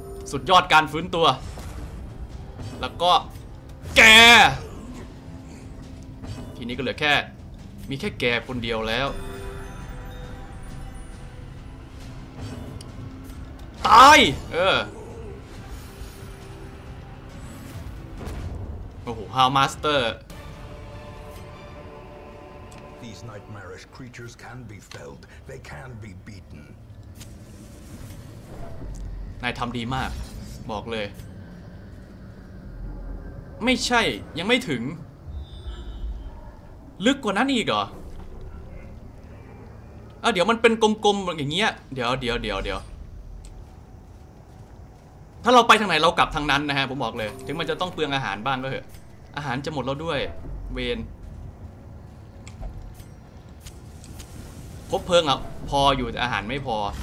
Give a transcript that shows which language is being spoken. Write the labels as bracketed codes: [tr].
[th] สุดยอดการฟื้นตัวแล้วก็แกทีนี้ก็เหลือแค่มีแค่แกคนเดียวแล้วตายเออโอ้โหฮาวมาสเตอร์ The [en] these nightmarish creatures can be felled. They can be beaten. [th] นายทำดีมากบอกเลยไม่ใช่ยังไม่ถึงลึกกว่านั้นอีกเหรออ่ะเดี๋ยวมันเป็นกลมๆอย่างเงี้ยเดี๋ยวถ้าเราไปทางไหนเรากลับทางนั้นนะฮะผมบอกเลยถึงมันจะต้องเปลืองอาหารบ้างก็เถอะอาหารจะหมดแล้วด้วยเวนครบเพลิงอ่ะพออยู่แต่อาหารไม่พอ